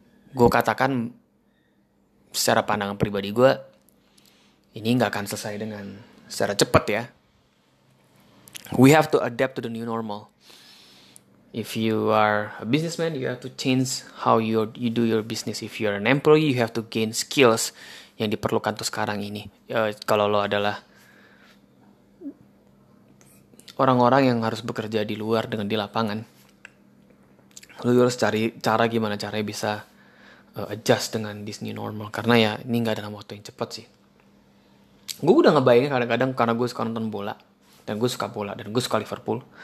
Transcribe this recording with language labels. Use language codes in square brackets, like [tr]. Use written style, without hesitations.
[id] Gue katakan secara pandangan pribadi gue, ini gak akan selesai dengan secara cepat ya. [en] We have to adapt to the new normal. If you are a businessman, you have to change how you do your business. If you are an employee, you have to gain skills [id] yang diperlukan tuh sekarang ini. Kalau lo adalah orang-orang yang harus bekerja di luar dengan di lapangan, lu harus cari cara gimana caranya bisa adjust dengan [en] this new normal. [id] Karena ya ini gak dalam waktu yang cepat sih. Gue udah ngebayangin kadang-kadang, karena gue suka nonton bola, dan gue suka bola, dan gue suka Liverpool.